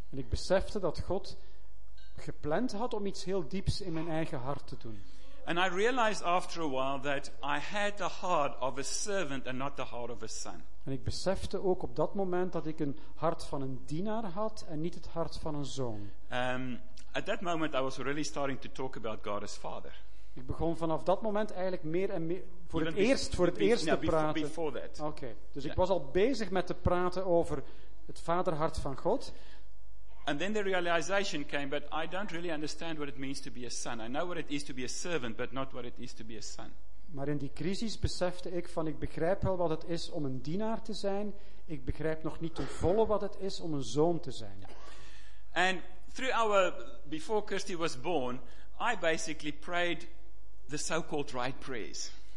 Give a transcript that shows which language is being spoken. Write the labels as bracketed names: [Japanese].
[Dutch] En ik besefte dat God gepland had om iets heel dieps in mijn eigen hart te doen. [English] And I realized after a while that I had the heart of a servant and not the heart of a son. [Dutch] En ik besefte ook op dat moment dat ik een hart van een dienaar had en niet het hart van een zoon. [English] At that moment I was really starting to talk about God as father. [Dutch] Ik begon vanaf dat moment eigenlijk meer en meer voor het eerst te praten. [English] Before that. [Dutch] Okay. Dus ik was al bezig met te praten over het vaderhart van God. [English] And then the realization came, but I don't really understand what it means to be a son. I know what it is to be a servant, but not what it is to be a son. [Dutch] Maar in die crisis besefte ik van, ik begrijp wel wat het is om een dienaar te zijn. Ik begrijp nog niet ten volle wat het is om een zoon te zijn. [English] And through our, before Kirsty was born, I basically prayed the so-called right prayers.